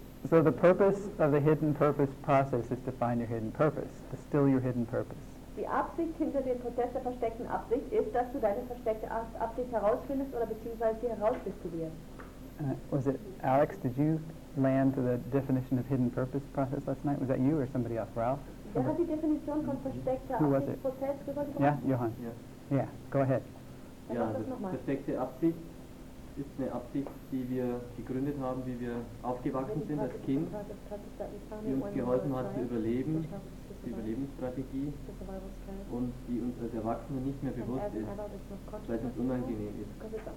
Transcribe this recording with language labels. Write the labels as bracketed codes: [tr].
[en] So the purpose of the hidden purpose process is to find your hidden purpose, to still your hidden purpose. [de] Die Absicht hinter dem Prozess der versteckten Absicht ist, dass du deine versteckte Absicht herausfindest oder beziehungsweise sie herausdiskutierst. [en] Was it Alex? Did you land the definition of hidden purpose process last night? Was that you or somebody else, Ralph? [de] Wer hat die Definition von versteckter Absichtsprozess gesagt? [en] Yeah, Johann. Yes. Yeah, go ahead. [de] Ja, das versteckte Absicht ist eine Absicht, die wir gegründet haben, wie wir aufgewachsen sind als Kind, die uns geholfen hat zu überleben, die Überlebensstrategie, und die uns als Erwachsene nicht mehr bewusst ist, weil es uns unangenehm ist.